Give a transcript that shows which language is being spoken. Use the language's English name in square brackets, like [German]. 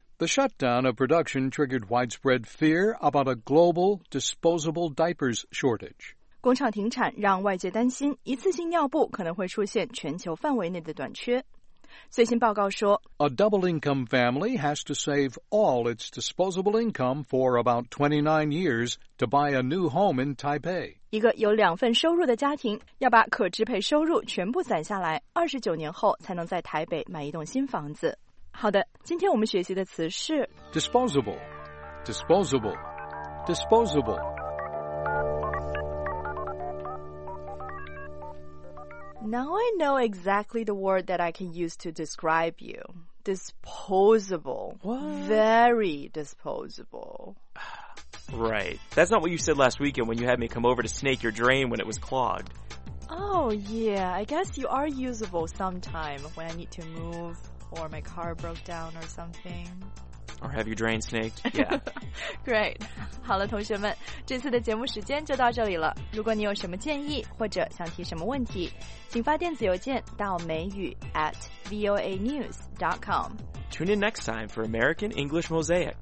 [English] The shutdown of production triggered widespread fear about a global disposable diapers shortage. [Chinese] 工厂停产让外界担心一次性尿布可能会出现全球范围内的短缺。最新报告说 [English] A double income family has to save all its disposable income for about 29 years to buy a new home in Taipei. [Chinese] 一个有两份收入的家庭要把可支配收入全部攒下来，29年后才能在台北买一栋新房子。好的，今天我们学习的词是 [English] disposable, disposable, disposable. Now I know exactly the word that I can use to describe you. Disposable. What? Very disposable. Right. That's not what you said last weekend when you had me come over to snake your drain when it was clogged. Oh, yeah. I guess you are usable sometime when I need to move. Or my car broke down or something. Or have you drain snaked? Yeah. Great. [Chinese] 好了，同学们，这次的节目时间就到这里了。如果你有什么建议或者想提什么问题，请发电子邮件到美语@voanews.com. [English] Tune in next time for American English Mosaic.